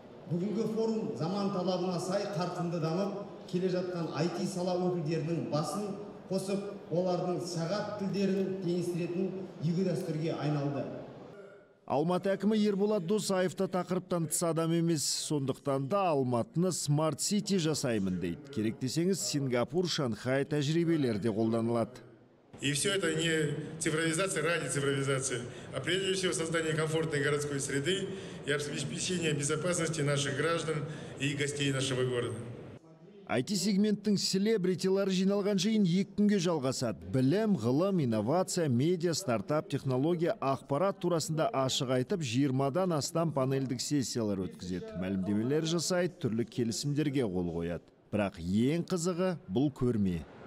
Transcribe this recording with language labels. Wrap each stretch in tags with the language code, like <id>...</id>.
<kk>Бүгінгі форум заман талабына сай қарқынды дамып, келе жатқан IT сала өкілдерінің басын қосып, олардың сағат тілдерін теңестіретін игі дәстүрге айналды. Алматы әкімі Ерболат Досаевта тақырыптан тыс адам емес, сондықтан да Алматыны Smart City жасаймын дейді. Керек десеңіз, Сингапур, Шанхай тәжірибелерде қолданылады.</kk> <ru>И все это не цифровизация ради цифровизации, а прежде всего создание комфортной городской среды и обеспечение безопасности наших граждан и гостей нашего города.</ru> <kk>IT-сегменттің селебритилары жиналған жиын екі күнге жалғасады. Білім, ғылым, инновация, медиа, стартап, технология, ақпарат турасында ашық айтып, 20-дан астам панельдік сессиялар өткізеді. Мәлімдемелер жасайды, түрлі келісімдерге қол қояды. Бірақ ең қызығы бұл көрме.</kk>